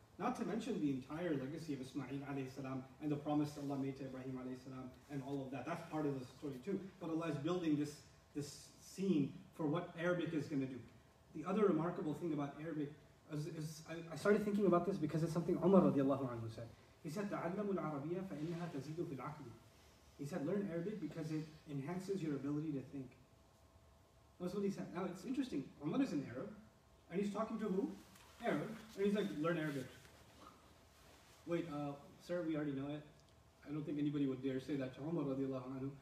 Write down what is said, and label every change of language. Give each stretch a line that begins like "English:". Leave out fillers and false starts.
English: Not to mention the entire legacy of Ismail alayhi salam and the promise that Allah made to Ibrahim alayhi salam and all of that. That's part of the story too. But Allah is building this scene for what Arabic is going to do. The other remarkable thing about Arabic is I started thinking about this because it's something Umar radiallahu anhu said. He said,
Arabic: تَعَلَّمُ الْعَرَبِيَّ فَإِنَّهَا تَزِيدُ فِي الْعَقْلِ.
English: He said, learn Arabic because it enhances your ability to think. That's what he said. Now, it's interesting. Umar is an Arab, and he's talking to who? Arab. And he's like, learn Arabic. Wait, sir, we already know it. I don't think anybody would dare say that to Umar radiallahu anhu.